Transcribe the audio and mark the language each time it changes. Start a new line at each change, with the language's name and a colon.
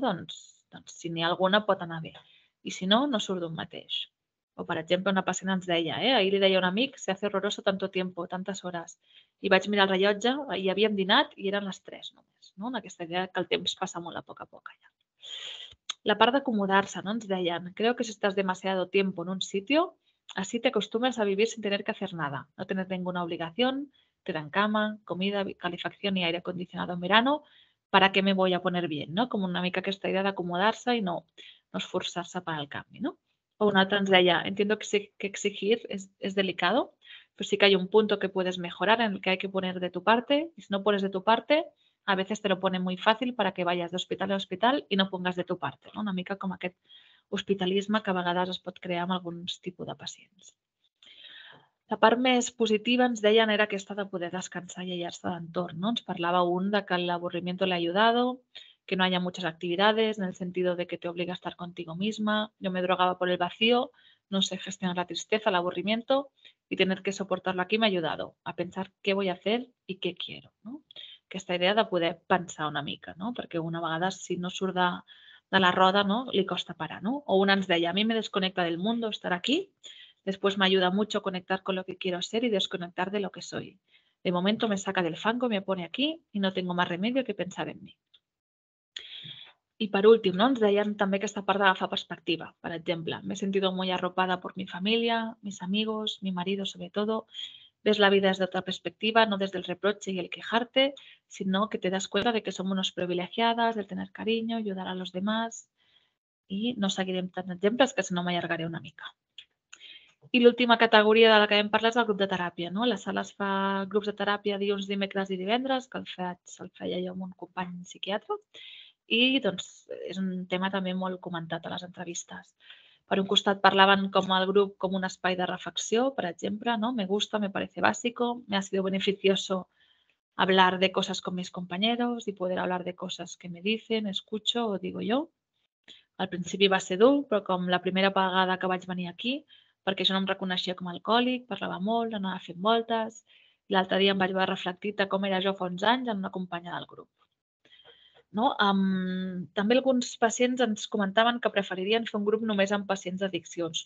Catalan: Doncs si n'hi ha alguna, pot anar bé. I si no, no surt d'un mateix. O, per exemple, una pacient ens deia, ahir li deia a un amic,
Spanish: se hace horroroso tanto tiempo, tantas horas.
Catalan: I vaig mirar el rellotge, i havíem dinat i eren les 3 només. No? En aquesta idea que el temps passa molt a poc allà. La part d'acomodar-se, no? Ens deien,
Spanish: creo que si estás demasiado tiempo en un sitio, Así te acostumbras a vivir sin tener que hacer nada, no tener ninguna obligación, te dan cama, comida, calefacción y aire acondicionado en verano, ¿para qué me voy a poner bien? ¿No?
Catalan: Como una mica aquesta idea d'acomodar-se i no esforçar-se per al canvi. No? O una altra ens deia,
Spanish: entiendo que, sí, que exigir es delicado, però sí que hay un punto que puedes mejorar en el que hay que poner de tu parte, y si no pones de tu parte, a veces te lo ponen muy fácil para que vayas de hospital a hospital y no pongas de tu parte. No?
Catalan: Una mica com aquest hospitalisme que a vegades es pot crear amb alguns tipus de pacients. La part més positiva, ens deien, era aquesta de poder descansar i allar-se d'entorn. No? Ens parlava un de que
Spanish: l'avorrimiento le ha ayudado, que no haya muchas actividades, en el sentido de que te obliga a estar contigo misma. Yo me drogaba por el vacío, no sé gestionar la tristeza, el aburrimiento, y tener que soportarlo aquí me ha ayudado a pensar qué voy a hacer y qué quiero.
Catalan: No? Aquesta idea de poder pensar una mica, no? Perquè una vegada, si no surt de la roda, no? Li costa parar. No? O una ens deia,
Spanish: a mi me desconecta del mundo estar aquí, después me ayuda mucho conectar con lo que quiero ser y desconectar de lo que soy. De momento me saca del fango, me pone aquí y no tengo más remedio que pensar en mí. Y por último, ¿no?
Catalan: Ens deien també aquesta part d'agafar perspectiva. Per exemple,
Spanish: me he sentido muy arropada por mi familia, mis amigos, mi marido sobre todo. Ves la vida desde otra perspectiva, no desde el reproche y el quejarte, sino que te das cuenta de que somos unos privilegiadas, de tener cariño, ayudar a los demás. Y no seguiré tantos ejemplos, que si no
Catalan: me allargaré una mica. I l'última categoria de la que vam parlar és el grup de teràpia. No? La sala es fa grups de teràpia dilluns, dimecres i divendres, que el feia jo amb un company psiquiatre. I doncs, és un tema també molt comentat a les entrevistes. Per un costat parlaven com el grup com un espai de reflexió, per exemple, no?
Spanish: Me gusta, me parece básico, me ha sido beneficioso hablar de cosas con mis compañeros y poder hablar de cosas que me dicen, escucho o digo yo.
Catalan: Al principi va ser dur, però com la primera vegada que vaig venir aquí, perquè jo no em reconeixia com a alcohòlic, parlava molt, anava fent voltes. L'altre dia em vaig veure reflectit de com era jo fa uns anys en una companya del grup. No? També alguns pacients ens comentaven que preferirien fer un grup només amb pacients d'addiccions.